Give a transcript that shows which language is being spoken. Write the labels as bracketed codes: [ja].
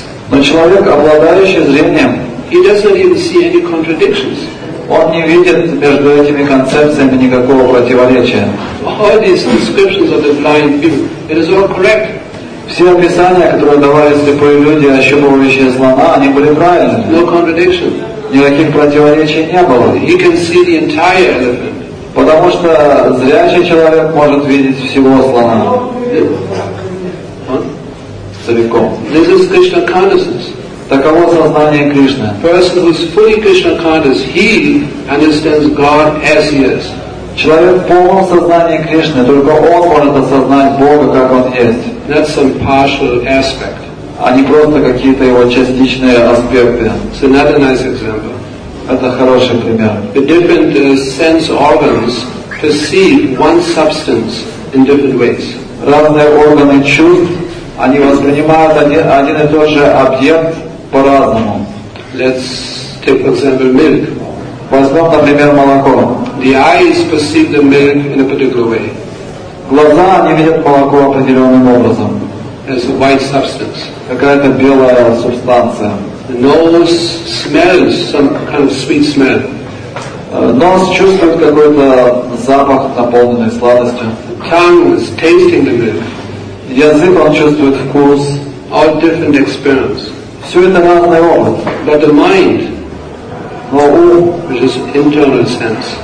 [ru] Но человек, обладающий зрением, [en] he doesn't even see any contradictions. [ru] Он не видит между этими концепциями никакого противоречия. [en] All these descriptions of the blind people, it is all correct. [ru] Все описания, которые давали слепые люди, ощупывающие слона, они были правильны. [en] No contradiction. [ru] Никаких противоречий не было. [en] He can see the entire elephant. [ru] Потому что зрячий человек может видеть всего слона. Целиком. [en] This is Krishna consciousness. [ru] Таково сознание Кришны. [en] Person who is fully Krishna conscious, he understands God as he is. [ru] Человек полон сознания Кришны, только он может осознать Бога, как он есть. [en] That's some partial aspect. [ru] А не просто какие-то его частичные аспекты. [en] So not a nice example. [ru] Это хороший пример. [en] The different sense organs perceive one substance in different ways. [ru] Разные органы чувств, они воспринимают один и тот же объект по-разному. [en] Let's take, for example, milk. [ru] Возьмем, например, молоко. [en] The eyes perceive the milk in a particular way. [ru] Глаза, они видят молоко определенным образом. [en] As a white substance. [ru] Какая-то белая субстанция. [en] The nose smells some kind of sweet smell. [ru] Нос чувствует какой-то запах, наполненный сладостью. [en] Tongue is tasting the milk. [ru] Язык, он чувствует вкус. [en] All different experience. [ru] Все это разный опыт. [en] But the mind, [ru] но ум, [en] which is internal sense,